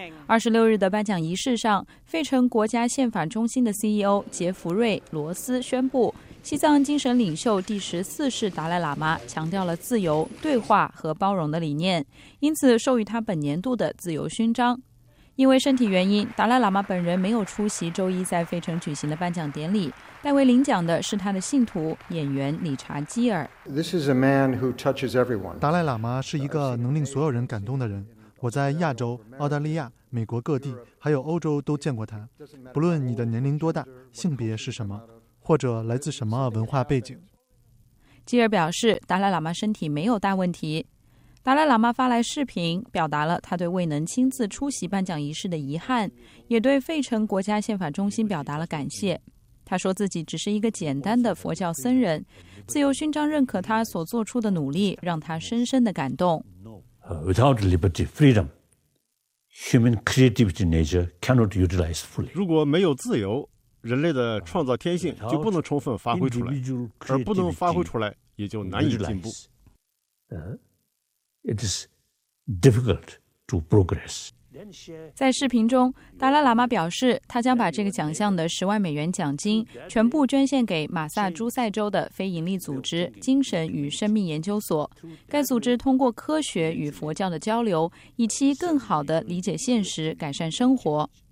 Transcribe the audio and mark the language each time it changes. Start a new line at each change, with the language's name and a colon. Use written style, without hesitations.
Chinese: 26日的颁奖仪式上，费城国家宪法中心的 CEO 杰弗瑞·罗斯宣布，西藏精神领袖第14世达赖喇嘛强调了自由、对话和包容的理念，因此授予他本年度的自由勋章。因为身体原因，达赖喇嘛本人没有出席周一在费城举行的颁奖典礼，代为领奖的是他的信徒演员理查基尔。
English: This is a man who touches everyone.
Chinese: 达赖喇嘛是一个能令所有人感动的人。我在亚洲、澳大利亚、美国各地还有欧洲都见过他。不论你的年龄多大、性别是什么或者来自什么文化背景。基尔表示，达赖喇嘛身体没有大问题。达赖喇嘛发来视频，表达了他对未能亲自出席颁奖仪式的遗憾，也对费城国家宪法中心表达了感谢。他说自己只是一个简单的佛教僧人，自由勋章认可他所做出的努力，让他深深的感动。
English: Without liberty, freedom, human creativity nature cannot utilize fully.
Chinese: 如果没有自由，人类的创造天性就不能充分发挥出来，而不能发挥出来，也就难以进步。
English: It is difficult to progress.
Chinese: 在视频中，达赖喇嘛表示，他将把这个奖项的$10,000奖金全部捐献给马萨诸塞州的非营利组织精神与生命研究所。该组织通过科学与佛教的交流，以期更好地理解现实，改善生活。